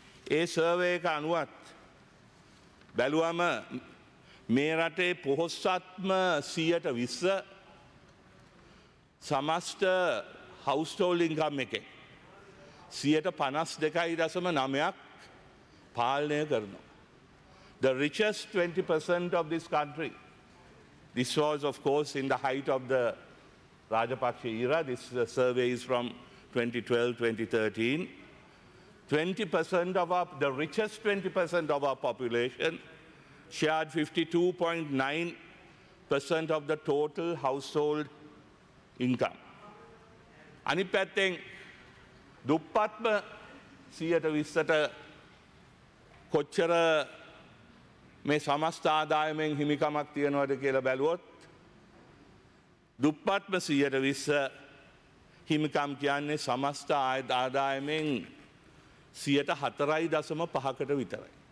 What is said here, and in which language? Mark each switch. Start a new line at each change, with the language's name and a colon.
Sinhala: ඒ survey එක අනුවත් බැලුවම මේ රටේ පොහොසත්ම 20% සමස්ත හවුස්හෝල්ඩ් ඉන්කම් එකේ 52.9% පාලනය කරනවා.
English: The richest 20% of this country. This was, of course, in the height of the Rajapaksha era. This survey is from 2012-2013. 20% of our, the richest 20% of our population shared 52.9% of the total household income.
Sinhala: Anipatthen duppatma 20%ට කොච්චර මේ සමස්ත ආදායමෙන් හිමිකමක් තියෙනවද කියලා බැලුවොත් දුප්පත්ම 20% හිමිකම් කියන්නේ සමස්ත ආදායමෙන් 4.5%කට විතරයි.